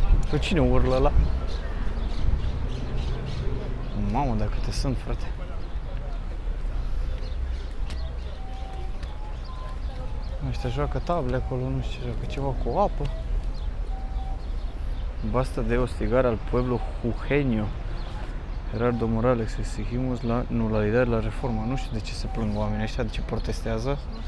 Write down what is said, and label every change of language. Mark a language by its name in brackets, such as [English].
[Romanian] Pe cine urlă ăla? Mamă, dacă te sunt, frate. Ăștia joacă table acolo, nu știu, joacă ceva cu apă. [Spanish] Basta de ostigare al pueblo jujeño. Gerardo Morales, exigimos la nulidad de la reforma. [Romanian] Nu știu de ce se plâng oamenii ăștia, de ce protestează.